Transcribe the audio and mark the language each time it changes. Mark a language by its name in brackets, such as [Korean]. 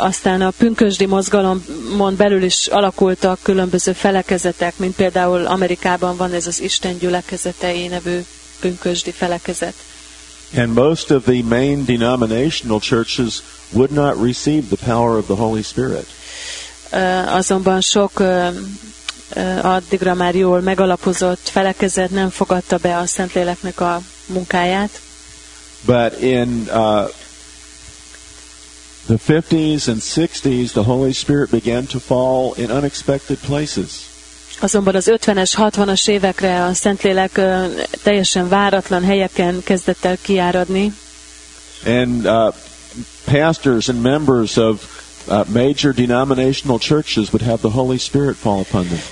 [Hungarian] Aztán a pünkösdi mozgalomon belül is alakultak különböző felekezetek, mint például Amerikában van ez az Isten gyülekezetei nevű pünkösdi felekezet. [English] And most of the main denominational churches would not receive the power of the Holy Spirit. [Hungarian] Azonban sok addigra már jól megalapozott felekezet nem fogadta be a Szentléleknek a munkáját. [English] But in the 50s and 60s, the Holy Spirit began to fall in unexpected places. [Hungarian] Azonban az 50-es, 60-as évekre a Szentlélek teljesen váratlan helyeken kezdett el kiáradni. [English] And pastors and members of major denominational churches would have the Holy Spirit fall upon them.